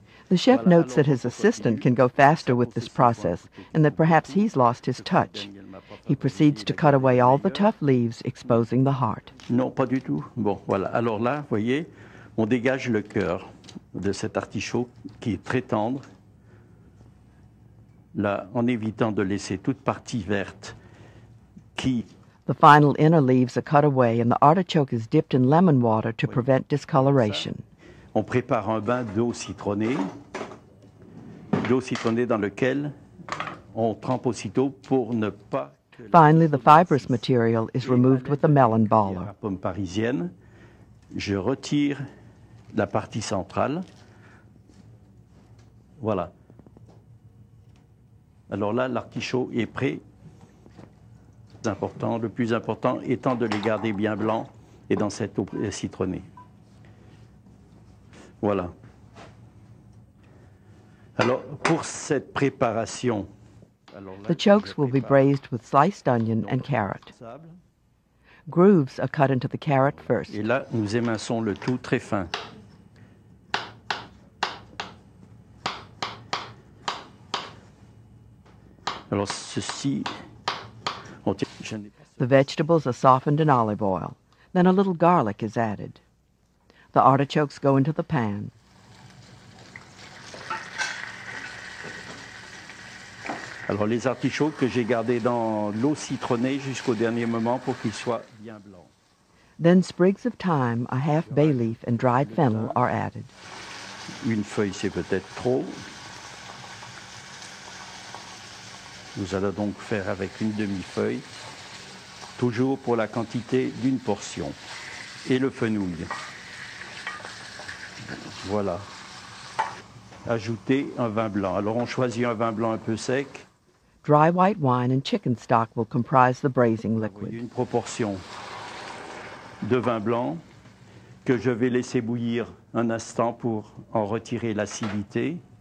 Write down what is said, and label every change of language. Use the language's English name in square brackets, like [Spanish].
[English] The chef notes that his assistant can go faster with this process and that perhaps he's lost his touch. He proceeds to cut away all the tough leaves, exposing the heart. [French] Non, pas du tout. Bon, voilà. Alors là, vous voyez, on dégage le cœur de cet artichaut qui est très tendre. Là, en évitant de laisser toute partie verte qui... [English] The final inner leaves are cut away and the artichoke is dipped in lemon water to prevent discoloration. [French] On prépare un bain d'eau citronnée dans lequel on trempe aussitôt pour ne pas... [English] Finally, the fibrous material is removed with a melon baller. [French] La pomme parisienne, je retire la partie centrale. Voilà. Alors là, l'artichaut est prêt. Important, le plus important étant de les garder bien blancs et dans cette eau citronnée. Voilà. Alors, pour cette préparation... [English] The chokes will be braised with sliced onion and carrot. Grooves are cut into the carrot first. [French] Et là, nous éminçons le tout très fin. Alors, ceci... [English] The vegetables are softened in olive oil. Then a little garlic is added. The artichokes go into the pan. [French] Alors les artichauts que j'ai gardés dans l'eau citronnée jusqu'au dernier moment pour qu'ils soient bien blancs. [English] Then sprigs of thyme, a half bay leaf, and dried fennel are added. [French] Une feuille, c'est peut-être trop. Vous allez donc faire avec une demi-feuille, toujours pour la quantité d'une portion. Et le fenouil. Voilà. Ajoutez un vin blanc. Alors on choisit un vin blanc un peu sec. [English] Dry white wine and chicken stock will comprise the braising liquid. [French] Une proportion de vin blanc que je vais laisser bouillir un instant pour en retirer l'acidité.